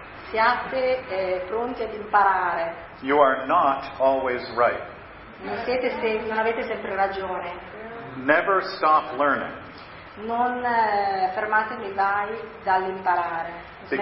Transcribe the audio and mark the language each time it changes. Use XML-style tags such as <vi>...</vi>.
<it>Siate pronti ad imparare.</it> <en>You are not always right.</en> <it>Non avete sempre ragione.</it> <en>Never stop learning.</en> <it>Non fermatevi mai dall'imparare.</it>